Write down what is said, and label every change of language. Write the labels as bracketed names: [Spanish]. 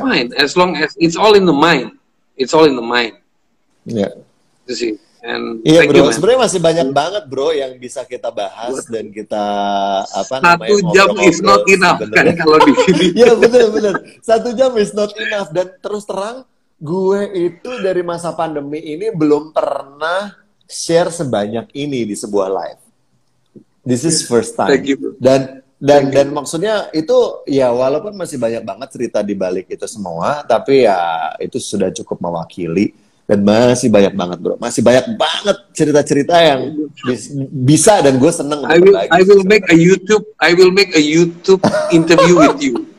[English] fine as long as it's all in the mind. It's all in the mind. Yeah. You see? And iya, thank bro. You, man. [Indonesian] Sebenarnya masih banyak banget, bro, yang bisa kita bahas dan kita apa satu namanya. Satu jam [English] is not enough [Indonesian] sebenernya. Kan kalau di sini. Iya, benar-benar. Satu jam [English] is not enough, [Indonesian] dan terus terang, gue itu dari masa pandemi ini belum pernah share sebanyak ini di sebuah live. [English] This is first time. Thank you, bro. [Indonesian] Dan maksudnya itu ya walaupun masih banyak banget cerita di balik itu semua, tapi ya itu sudah cukup mewakili. Dan masih banyak banget, bro. Masih banyak banget cerita-cerita yang bisa dan gue seneng. [English] I will make a YouTube interview with you.